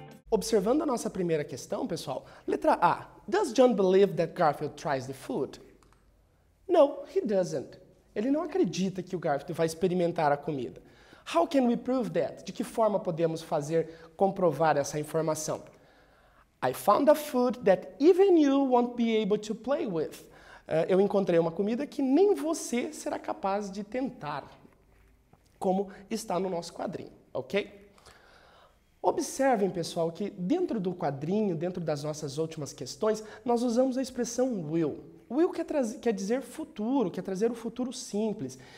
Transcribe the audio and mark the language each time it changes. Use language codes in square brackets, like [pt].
[pt] Observando a nossa primeira questão, pessoal, letra A. [en] Does John believe that Garfield tries the food? No, he doesn't. [pt] Ele não acredita que o Garfield vai experimentar a comida. [en] How can we prove that? [pt] De que forma podemos fazer comprovar essa informação? [en] I found a food that even you won't be able to play with. [pt] Eu encontrei uma comida que nem você será capaz de tentar, como está no nosso quadrinho, ok? Observem, pessoal, que dentro do quadrinho, dentro das nossas últimas questões, nós usamos a expressão will. Will quer dizer futuro, quer trazer o futuro simples.